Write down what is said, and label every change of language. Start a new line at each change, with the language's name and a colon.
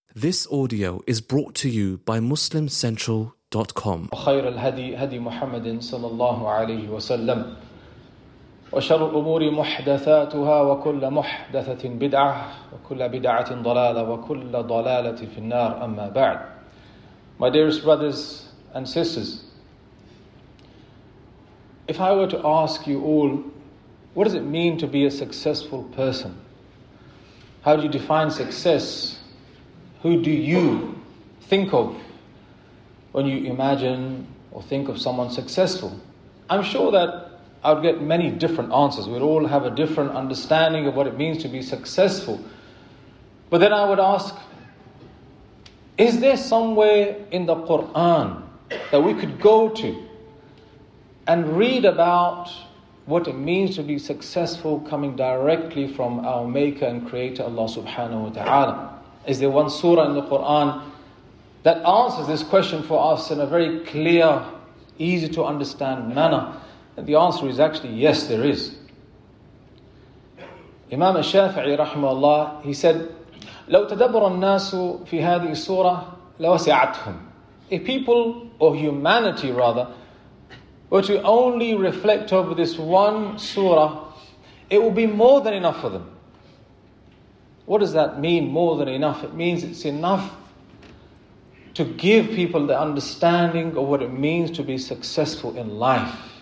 English: This audio is brought to you by MuslimCentral.com.
Arabic: خير الهدي هدي محمد صلى الله عليه وسلم وشر الأمور محدثاتها وكل محدثة بدعة وكل بدعة ضلالة وكل ضلالة في النار أما بعد.
English: My dearest brothers and sisters, if I were to ask you all, what does it mean to be a successful person? How do you define success? Who do you think of when you imagine or think of someone successful? I'm sure that I would get many different answers. We'd all have a different understanding of what it means to be successful. But then I would ask, is there somewhere in the Quran that we could go to and read about what it means to be successful coming directly from our Maker and Creator Allah subhanahu wa ta'ala? Is there one surah in the Quran that answers this question for us in a very clear, easy to understand manner? And the answer is actually yes, there is. Imam al-Shafi'i rahimahullah, he said,
Arabic: لو تدبر الناس في هذه السورة لوسعتهم.
English: If people, or humanity rather, were to only reflect over this one surah, it will be more than enough for them. What does that mean, more than enough? It means it's enough to give people the understanding of what it means to be successful in life.